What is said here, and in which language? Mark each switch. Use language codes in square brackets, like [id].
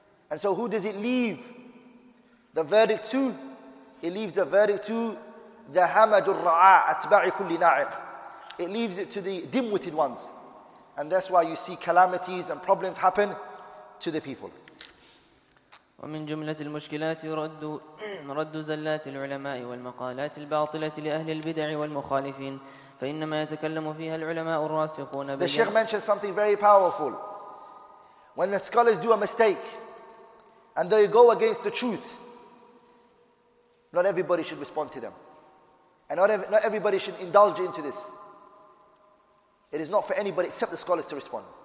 [en] And so who does it leave the verdict to? It leaves the verdict to The [ar] hamad al-ra'a atba'i kulli na'iq. [en] It leaves it to the dim-witted ones. And that's why you see calamities and problems happen to the people. [ar] ومن جملة المشكلات رد زلات العلماء والمقالات الباطلة لأهل البدع والمخالفين فإنما يتكلم فيها العلماء الراسخون [en] The Sheikh mentioned something very powerful. When the scholars do a mistake and they go against the truth, not everybody should respond to them. And not everybody should indulge into this. It is not for anybody except the scholars to respond.